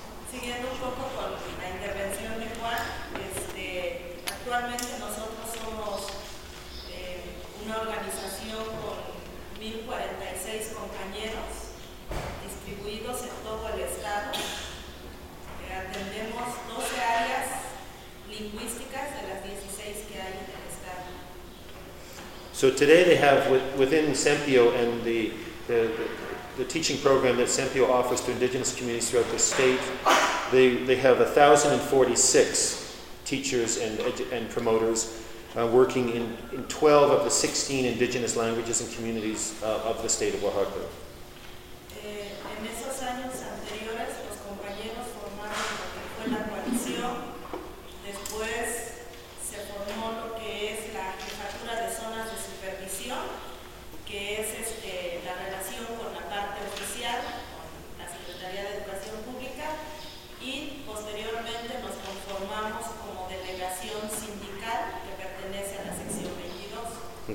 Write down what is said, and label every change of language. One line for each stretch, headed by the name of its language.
Spanish: Siguiendo un poco con la intervención de Juan, actualmente nosotros somos una organización con 1046 compañeros distribuidos en todo el estado. Atendemos 12 áreas lingüísticas de las 16 que hay en el estado.
English: So today they have within CEMPIO and the teaching program that CEMPIO offers to indigenous communities throughout the state, they have 1,046 teachers and promoters working in 12 of the 16 indigenous languages and communities of the state of Oaxaca.
Spanish: En esos años anteriores, los compañeros formaron lo que fue la coalición. Después se formó lo que es la jefatura de zonas de supervisión, que es la relación con la parte oficial, con la Secretaría de Educación Pública, y posteriormente nos conformamos como delegación sindical que pertenece a la sección 22.